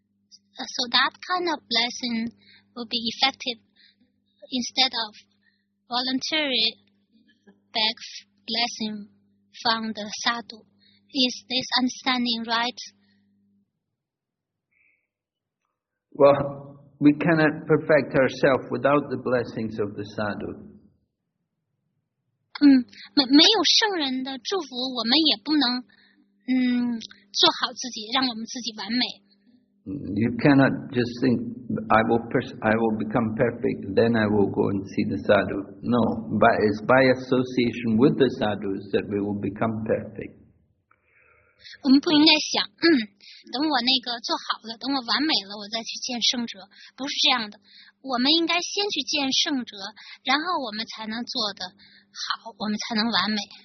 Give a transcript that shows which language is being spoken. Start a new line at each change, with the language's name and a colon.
English: So that kind of blessing will be effective instead of voluntary beg blessing from the Sadhu. Is this understanding right? Well, we cannot perfect ourselves without the blessings of the Sadhu.
Chinese: 没有圣人的祝福，我们也不能做好自己，让我们自己完美。
English: You cannot just think, I will become perfect, then I will go and see the Sadhu. No, but it's by association with the Sadhus that we will become perfect.
Chinese: 我们不应该想，等我那个做好了，等我完美了，我再去见圣哲，不是这样的。我们应该先去见圣哲，然后我们才能做得好，我们才能完美。